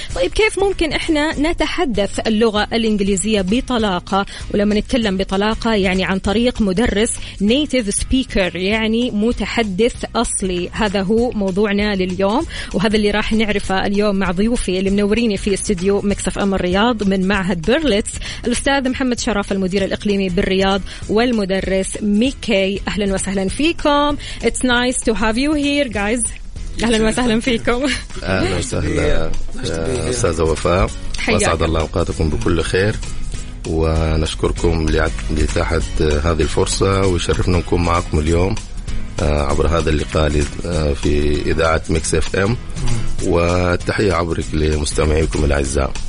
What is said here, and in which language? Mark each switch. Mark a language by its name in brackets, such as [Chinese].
[Arabic] طيب كيف ممكن إحنا نتحدث اللغة الإنجليزية بطلاقة؟ ولما نتكلم بطلاقة يعني عن طريق مدرس [English] native speaker، [Arabic] يعني متحدث أصلي. هذا هو موضوعنا لليوم، وهذا اللي راح نعرفه اليوم مع ضيوفي اللي منوريني في استوديو مكسف أم الرياض من معهد بيرلتس، الأستاذ محمد شرف المدير الإقليمي بالرياض والمدرس ميكي. أهلا وسهلا فيكم. [English] It's nice to have you here guys. [Arabic] أهلا وسهلا فيكم. أهلا وسهلا أستاذ وفاء، وأسعد الله أوقاتكم بكل خير، ونشكركم لإتاحة هذه الفرصة، ويشرفنا نكون معكم اليوم عبر هذا اللقاء في إذاعة ميكس اف ام، والتحية عبرك لمستمعيكم الأعزاء.